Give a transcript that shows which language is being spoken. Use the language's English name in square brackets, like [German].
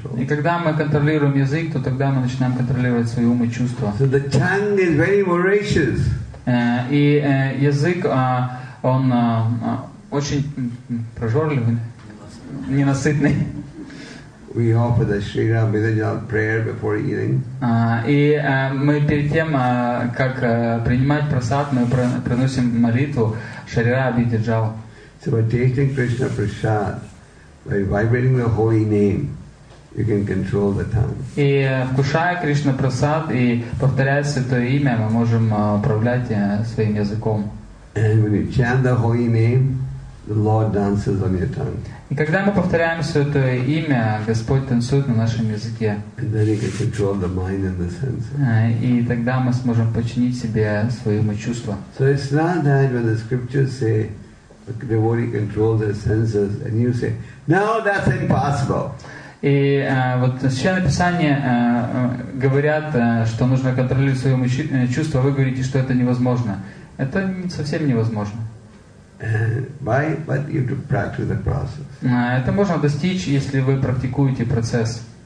[Russian] И когда мы контролируем язык, то тогда мы начинаем контролировать свои умы и чувства. [English] So the tongue is very voracious. [Russian] И язык, он очень прожорливый, ненасытный. [English] We offer the Shri Ram Vidajal prayer before eating. [Russian] И мы перед тем, как принимать прасад, мы приносим молитву Шри Рам Видаджал. [English] So by tasting Krishna Prasad, by vibrating the holy name, you can control the tongue. [Russian] И вкушая Кришна Прасад и повторяя Святое Имя, мы можем управлять своим языком. [English] And when you chant the holy name, the Lord dances on your tongue. [Russian] И когда мы повторяем Святое Имя, Господь танцует на нашем языке. [English] And then you can control the mind and the senses. [Russian] И тогда мы сможем подчинить себе свои умы и чувства. [English] So it's not that when the scriptures say a devotee controls his senses and you say, no, that's impossible. [Russian] И вот Священное Писание говорят, что нужно контролировать свои умы и чувства, вы говорите, что это невозможно. Это совсем невозможно. [English] But you have to practice the process. [Russian] Это можно достичь, если вы практикуете процесс.